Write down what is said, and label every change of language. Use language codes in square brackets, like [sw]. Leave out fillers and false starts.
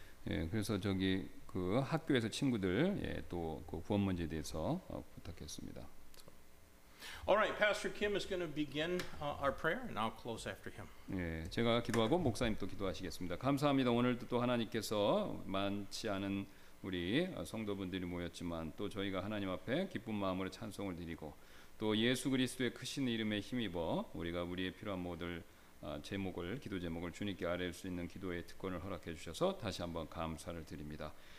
[ko] 예, 그래서 저기 그 학교에서 친구들 예, 또 그 구원 문제에 대해서 부탁했습니다. [en] All right, Pastor Kim is going to begin our prayer, and I'll close after him. [ko] 예, 제가 기도하고 목사님도 기도하시겠습니다. 감사합니다. 오늘도 또 하나님께서 많지 않은 우리 성도분들이 모였지만 또 저희가 하나님 앞에 기쁜 마음으로 찬송을 드리고 또 예수 그리스도의 크신 이름에 힘입어 우리가 우리의 필요한 모든 제목을 기도 제목을 주님께 아뢸 수 있는 기도의 특권을 허락해 주셔서 다시 한번 감사를 드립니다.